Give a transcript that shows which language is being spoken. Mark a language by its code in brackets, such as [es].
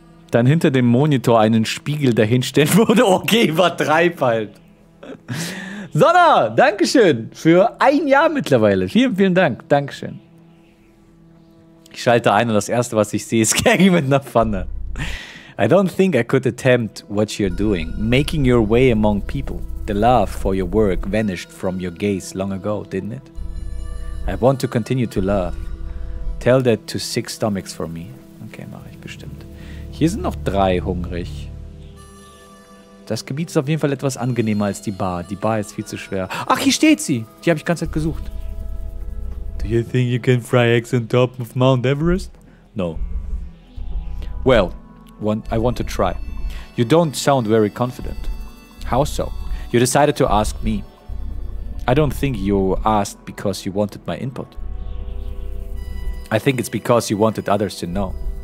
[de] Dann hinter dem Monitor einen Spiegel dahinstellen würde. Okay, übertreib halt. Sonna, dankeschön. Für ein Jahr mittlerweile. Vielen, vielen Dank. Dankeschön. Ich schalte ein und das Erste, was ich sehe, ist Gaggy mit einer Pfanne. [en] I don't think I could attempt what you're doing. Making your way among people. The love for your work vanished from your gaze long ago, didn't it? I want to continue to love. Tell that to six stomachs for me. [de] Okay, mache ich bestimmt. Hier sind noch drei hungrig. Das Gebiet ist auf jeden Fall etwas angenehmer als die Bar. Die Bar ist viel zu schwer. Ach, hier steht sie. Die habe ich die ganze Zeit gesucht. [en] Do you think you can fry eggs on top of Mount Everest? No. Well, I want to try. You don't sound very confident. How so? You decided to ask me. I don't think you asked because you wanted my input. I think it's because you wanted others to know.